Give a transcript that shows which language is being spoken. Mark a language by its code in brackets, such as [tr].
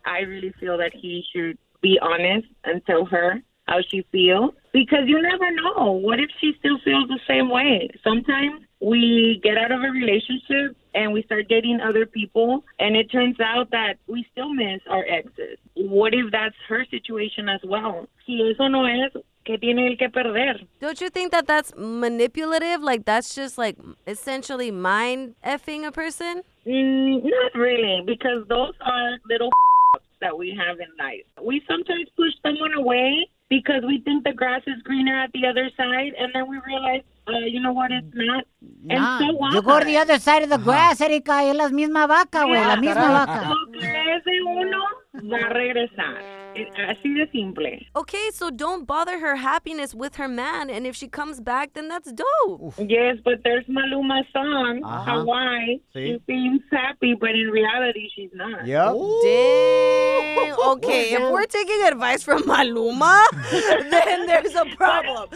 [en] I really feel that he should be honest and tell her how she feels, because you never know. What if she still feels the same way? Sometimes we get out of a relationship and we start dating other people, and it turns out that we still miss our exes. What if that's her situation as well? [es] Si eso no es, ¿qué tiene el que perder? [en] Don't you think that that's manipulative? Like, that's just, like, essentially mind-effing a person? Not really, because those are little f***ups that we have in life. We sometimes push someone away because we think the grass is greener at the other side, and then we realize, you know what, it's not. And so what? You go to the other side of the grass, Erika, [es] y es la misma vaca, [en] güey, la misma vaca. [es] Lo que es de uno va a regresar. Así de simple. [en] Okay, so don't bother her happiness with her man, and if she comes back, then that's dope. Oof. Yes, but there's Maluma's song, Hawaii. See? She seems happy, but in reality, she's not. Yep. Dang. Okay, if we're taking advice from Maluma, then there's a problem.